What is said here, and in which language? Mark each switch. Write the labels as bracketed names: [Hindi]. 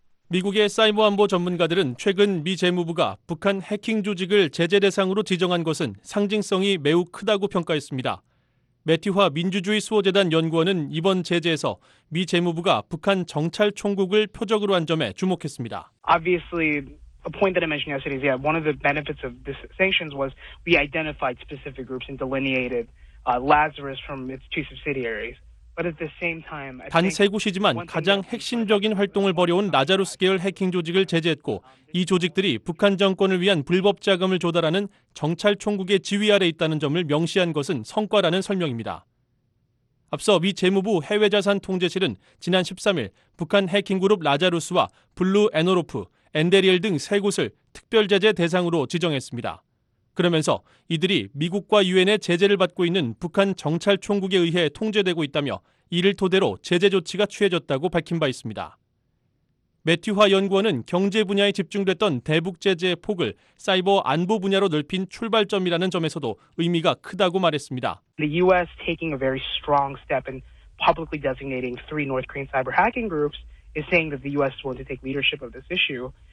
[Korean] 미국의 사이버 안보 전문가들은 최근 미 재무부가 북한 해킹 조직을 제재 대상으로 지정한 것은 상징성이 매우 크다고 평가했습니다. 매티화 민주주의 수호재단 연구원은 이번 제재에서 미 재무부가 북한 정찰 총국을 표적으로 한 점에 주목했습니다. [English] Obviously, a point that I mentioned yesterday is one of the benefits of the sanctions was we identified specific groups and delineated Lazarus from its two subsidiaries. [Korean] 단 세 곳이지만 가장 핵심적인 활동을 벌여온 라자루스 계열 해킹 조직을 제재했고 이 조직들이 북한 정권을 위한 불법 자금을 조달하는 정찰 총국의 지휘 아래 있다는 점을 명시한 것은 성과라는 설명입니다. 앞서 미 재무부 해외자산통제실은 지난 13일 북한 해킹 그룹 라자루스와 블루 에노로프, 엔데리엘 등 세 곳을 특별 제재 대상으로 지정했습니다. 그러면서 이들이 미국과 유엔의 제재를 받고 있는 북한 정찰 총국에 의해 통제되고 있다며 이를 토대로 제재 조치가 취해졌다고 밝힌 바 있습니다. 매튜화 연구원은 경제 분야에 집중됐던 대북 제재의 폭을 사이버 안보 분야로 넓힌 출발점이라는 점에서도 의미가 크다고 말했습니다. [English] The US taking a very strong step in publicly designating three North Korean cyber hacking groups is saying that the US wants to take leadership of this issue.